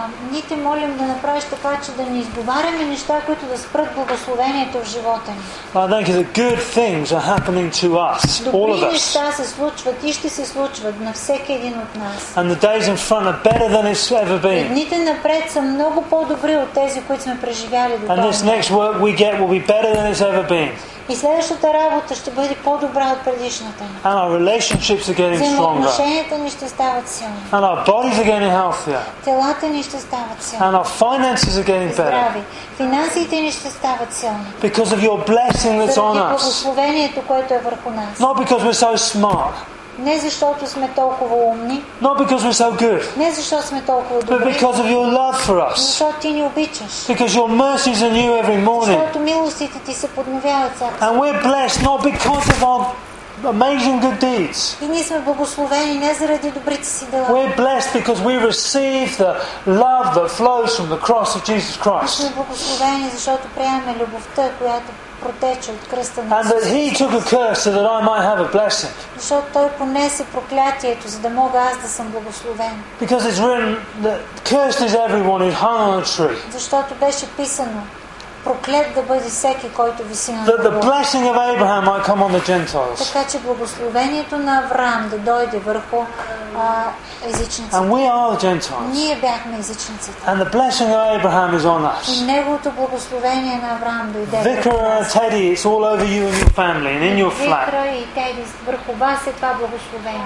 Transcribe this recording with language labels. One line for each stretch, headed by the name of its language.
Bulgarian: Ние те молим да направиш така, че да ни изговаряме неща, които да спрат благословението в живота ни.
English: Lord, thank you that good things are happening to us, all of us.
Bulgarian: Добри неща се случват и ще се случват на всеки един от нас.
English: And the days in front are better than it's ever been.
Bulgarian: Дните напред са много по-добри от тези, които сме преживяли до това.
English: And this next work we get will be better than it's ever been.
Bulgarian: И следващата работа ще бъде по-добра от предишната.
English: And our relationships are getting stronger.
Bulgarian: Взаимоотношенията ни ще стават силни.
English: And our bodies are getting healthier.
Bulgarian: Телата ни ще стават силни.
English: And our finances are getting better.
Bulgarian: Здрави. Финансите ни ще стават силни.
English: Because of your blessing that's on us.
Bulgarian: Заради благословението, което е върху нас.
English: Not because we're so smart.
Bulgarian: Не защото сме толкова умни.
English: Not because we're so good.
Bulgarian: Не защото сме толкова добри.
English: But because of your love for us.
Bulgarian: Защото ти ни обичаш.
English: Because your mercies are new every morning.
Bulgarian: Защото милостите ти се подновяват всяка сутрин.
English: And we're blessed not because of our amazing good deeds.
Bulgarian: И ние сме благословени не заради добрите си дела.
English: We're blessed because we receive the love that flows from the cross of Jesus Christ.
Bulgarian: Ние сме благословени защото приемаме любовта, която протече от кръста на.
English: And that he took a curse so that I might have a blessing.
Bulgarian: Защото той понесе проклятието, за да мога аз да съм благословен.
English: Because it's written that cursed is everyone who hung on a tree.
Bulgarian: Защото беше писано, проклет да бъде всеки, който виси на.
English: That the blessing of Abraham might come on the Gentiles.
Bulgarian: Така че благословението на Авраам да дойде върху езичниците.
English: And we are the Gentiles.
Bulgarian: Ние бяхме езичниците.
English: And the blessing of Abraham is on us.
Bulgarian: И неговото благословение на Авраам дойде.
English: Vicar and Teddy, it's all over you and your family and in your flat.
Bulgarian: Vicar и Teddy, върху вас е това благословение.